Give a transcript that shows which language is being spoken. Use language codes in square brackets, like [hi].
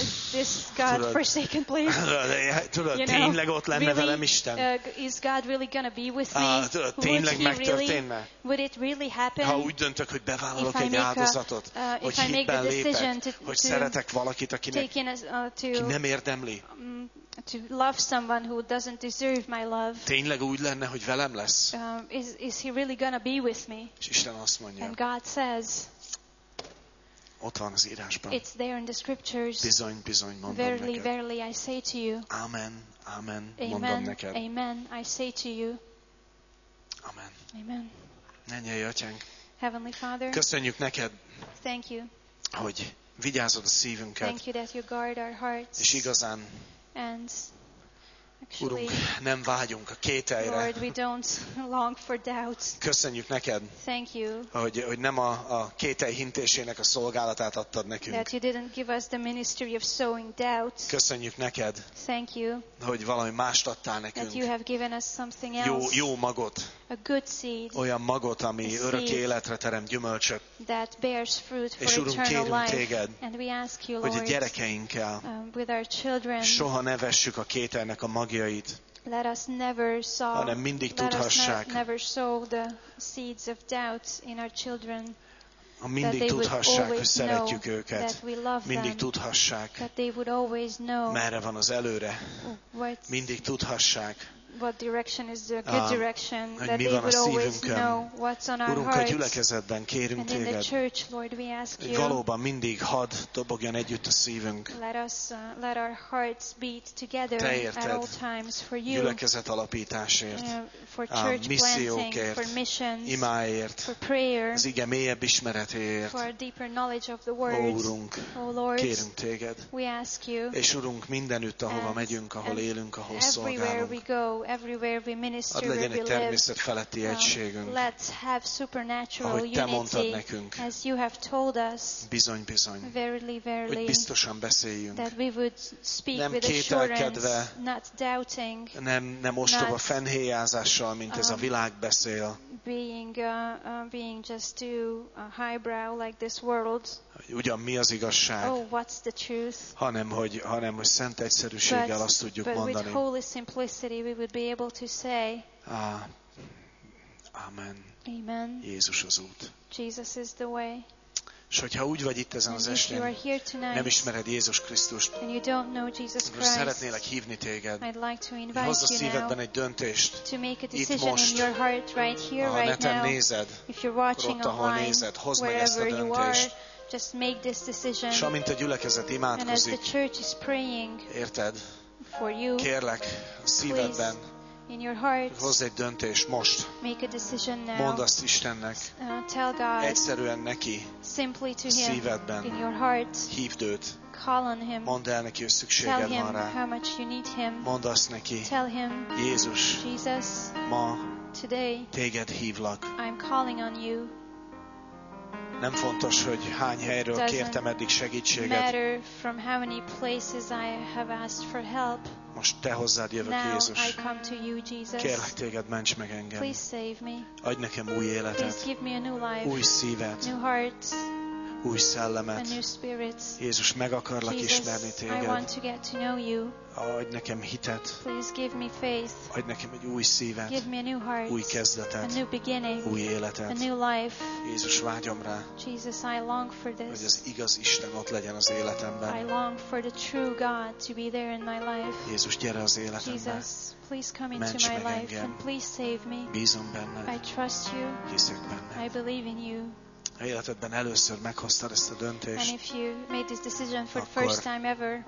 [en] this God forsaken place. [hu] Tudod, tényleg ott lenne velem Isten? [en] Is God really gonna be with me? [hu] Tudod, tényleg megtörténne? [en] Would it really happen? [hu] Ha úgy döntök, hogy bevállalok egy áldozatot, hogy hitben lépek, hogy szeretek valakit, aki nem érdemli. [en] To love someone who doesn't deserve my love. [hu] Tényleg úgy lenne, hogy velem lesz? [en] Is he really gonna be with me? [hu] És Isten azt mondja. [en] And God says. [hu] Ott van az írásban. [en] It's there in the scriptures. [hu] Bizony mondom [en] verily, [hu] neked. [en] Verily, I say to you. [hu] Amen, amen, mondom neked. [en] Amen, I say to you. [hu] Amen. [en] Amen. [hu] Mennyei Atyánk. [en] Heavenly Father. [hu] Köszönjük neked. [en] Thank you. [hu] Hogy vigyázod a szívünket. [en] Thank you that you guard our hearts. [hu] És igazán. [en] And actually, [hu] Urunk, nem vágyunk a kételyre. [en] Lord, we don't long for doubt. [hu] Köszönjük neked, [en] thank you, [hu] hogy nem a kételj hintésének a szolgálatát adtad nekünk. [en] That you didn't give us the ministry of sowing doubt. [hu] Köszönjük neked, [en] thank you, [hu] hogy valami mást adtál nekünk. [en] That you have given us something else, [hu] jó magot. [en] A good seed, [hu] olyan magot, ami örök életre terem gyümölcsöt. [en] That bears fruit for [hu] és Urunk, kérünk téged, [en] and we ask you, Lord, [hu] hogy a gyerekeinkkel [en] with our children, [hu] soha ne vessük a kételynek a magjait, [en] let us never sow, [hu] hanem mindig tudhassák. [en] Never sow the seeds of doubt in our children, [hu] ha mindig tudhassák, hogy szeretjük őket. Mindig [en] them, [hu] tudhassák, [en] that they would always know, [hu] merre van az előre. [en] What's [hu] mindig tudhassák, [en] what direction is the good direction, that they would always know what's on our hearts. [hu] A gyülekezetben kérünk téged. [en] And in the church, Lord, we ask you. [hu] Valóban mindig hadd dobogjon együtt a szívünk. [en] Let our hearts beat together at all times for you. [hu] Gyülekezet alapításért. [en] For church [hu] misszióért, [en] for missions, [hu] imáért, [en] for prayer, [hu] az ige mélyebb ismeretéért. [en] For a deeper knowledge of the words. [hu] Úrunk, [en] Lord, [hu] kérünk téged. [en] We ask you. [hu] És Urunk, mindenütt, ahova megyünk, ahol élünk, ahol szolgálunk. [en] Go everywhere we minister, [hu] ad legyen egy természet feletti egységünk. [en] Let's have supernatural unity. [hu] Ahogy te mondtad nekünk, [en] as you have told us. [hu] Bizony, bizony. [en] Verily, verily. [hu] Hogy biztosan beszéljünk. [en] That we would speak [hu] nem [en] with [hu] kételkedve, [en] assurance, not doubting. [hu] Nem ostoba fennhéjázással, mint ez a világ beszél. [en] Being just too highbrow like this world. [hu] Ugyan mi az igazság? [en] Oh, what's the truth? [hu] Hanem hogy szent egyszerűséggel azt tudjuk mondani. [en] But with holy simplicity we would be able to say. [hu] Amen. [en] Amen. [hu] Jézus az út. [en] Jesus is the way. [hu] És hogyha úgy vagy itt ezen az estén, [en] tonight, [hu] nem ismered Jézus Krisztust, [en] and you don't know Jesus Christ, [hu] szeretnélek hívni téged, [en] I'd like to invite [hu] hozz a szívedben egy döntést, [en] to make a decision [hu] itt most, [en] in your heart right here, [hu] ha [en] right [hu] neten [en] now, [hu] nézed, [en] if you're watching [hu] ott, ahol [en] online, [hu] nézed, hozd meg ezt a döntést. [en] Just make this decision. [hu] És amint a gyülekezet imádkozik, [en] and as the church is praying, [hu] érted, [en] for you, [hu] kérlek a szívedben, [en] in your heart, [hu] hozz egy döntést most. [en] Make a decision now. [hu] Mondd azt Istennek. [en] Tell God. [hu] Egyszerűen neki. [en] Simply to him. [hu] Szívedben. [en] In your heart. [hu] Hívd őt. [en] Call on him. [hu] Mondd el neki, hogy szükséged van rá. [en] How much you need him. [hu] Mondd azt neki. [en] Tell him. [hu] Jézus. [en] Jesus. [hu] Ma. [en] Today. [hu] Téged hívlak. [en] I'm calling on you. [hu] Nem fontos, hogy hány helyről kértem eddig segítséget. [en] Matter from how many places I have asked for help. [hu] Most te hozzád jövök, [en] now, [hu] Jézus. [en] I come to you, Jesus. [hu] Kérlek téged, ments meg engem. [en] Please save me. [hu] Adj nekem új életet. [en] Please give me a new life. [hu] Új szívet. [en] New hearts. [hu] Új szellemet. [en] A new spirit. [hu] Jézus, meg akarlak [en] Jesus, [hu] ismerni téged. [en] I want to get to know you. [hu] Adj nekem hitet. [en] Please give me faith. [hu] Adj nekem egy új szívet. [en] Give me a new heart. [hu] Új kezdetet. [en] A new beginning. [hu] Új életet. [en] A new life. [hu] Jézus, vágyom rá. [en] Jesus, I long for this. [hu] Hogy az igaz Isten ott legyen az életemben. [en] I long for the true God to be there in my life. [hu] Jézus, gyere az életembe. [en] Jesus, please come into my life and please save me. [hu] Bízom benned. [en] I trust you. [hu] Hiszek benned. [en] I believe in you. [hu] Ha életedben először meghoztad ezt a döntést, [en] and if you made this decision for the first time ever,